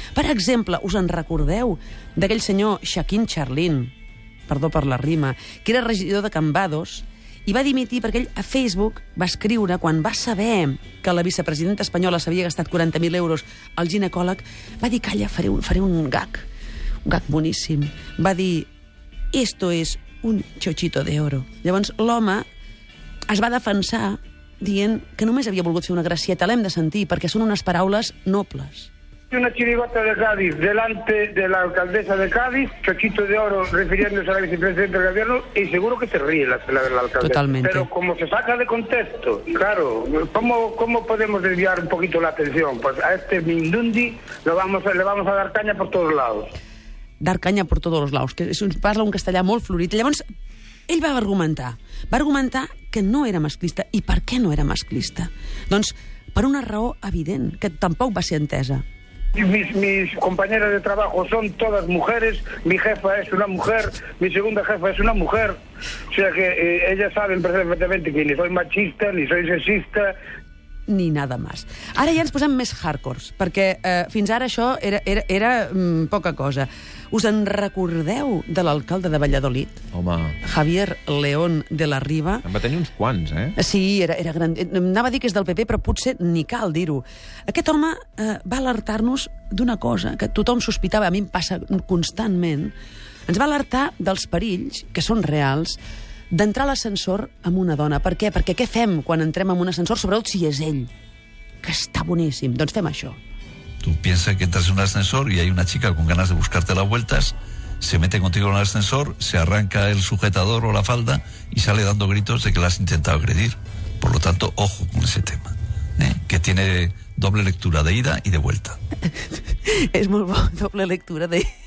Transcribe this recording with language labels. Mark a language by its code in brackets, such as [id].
[ca] Per exemple, us en recordeu d'aquell senyor Shaquín Charlin, perdó per la rima, que era regidor de Cambados, i va dimitir perquè ell a Facebook va escriure, quan va saber que la vicepresidenta espanyola s'havia gastat 40.000 euros al ginecòleg, va dir, calla, faré un gag boníssim. Va dir, [es] esto es un chochito de oro. [ca] Llavors, l'home... es va defensar dient que només havia volgut fer una gracieta. L'hem de sentir, perquè són unes paraules nobles. [es] Una chirigota de Cádiz delante de la alcaldesa de Cádiz, chochito de oro, refiriéndose a la vicepresidenta del gobierno, y seguro que se ríe la alcaldesa. Totalmente. Pero como se saca de contexto, claro, ¿cómo podemos desviar un poquito la atención? Pues a este mindundi le vamos a dar caña por todos lados. Dar caña por todos los lados, [ca] que es un, parla un castellà molt florit. Llavors, ell va argumentar que no era masclista. I per què no era masclista? Doncs per una raó evident, que tampoc va ser entesa. [es] Mis compañeras de trabajo son todas mujeres, mi jefa es una mujer, mi segunda jefa es una mujer, o sea que ellas saben perfectamente que ni soy machista, ni soy sexista... ni nada más. [ca] Ara ja ens posem més hardcores, perquè fins ara això era poca cosa. Us en recordeu de l'alcalde de Valladolid? Home. Javier León de la Riba. En va tenir uns quants, eh? Sí, era gran. Anava a dir que és del PP, però potser ni cal dir-ho. Aquest home va alertar-nos d'una cosa que tothom sospitava, a mi em passa constantment. Ens va alertar dels perills, que són reals, d'entrar a l'ascensor amb una dona. Per què? Perquè què fem quan entrem en un ascensor, sobretot si és ell, que està boníssim? Doncs fem això. [es] Tu piensa que entras en un ascensor y hay una chica con ganas de buscarte las vueltas, se mete contigo en el ascensor, se arranca el sujetador o la falda y sale dando gritos de que la has intentado agredir. Por lo tanto, ojo con ese tema, ¿eh? Que tiene doble lectura de ida y de vuelta. [ca] És molt bo, doble lectura de...